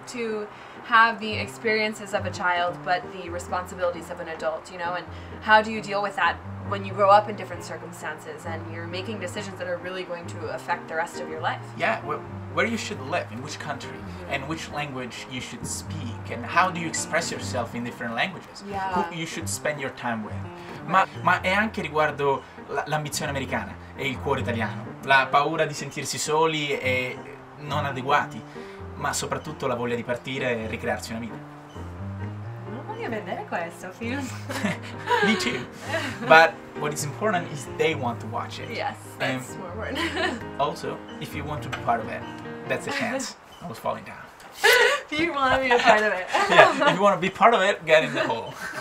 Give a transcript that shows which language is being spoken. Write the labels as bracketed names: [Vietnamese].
[English] To have the experiences of a child, but the responsibilities of an adult, you know? And how do you deal with that when you grow up in different circumstances and you're making decisions that are really going to affect the rest of your life? Yeah, where you should live, in which country, mm-hmm. and which language you should speak, and how do you express yourself in different languages, yeah. who you should spend your time with. [Italian] Ma è anche riguardo l'ambizione americana e il cuore italiano, la paura di sentirsi soli e non adeguati, ma soprattutto la voglia di partire e ricrearsi una vita. Vendere questo film. [English] Me too. But what is important is they want to watch it. Yes, that's and more important. Also, if you want to be part of it, that's a chance. I was falling down. If you want to be a part of it. Yeah, if you want to be part of it, get in the hole.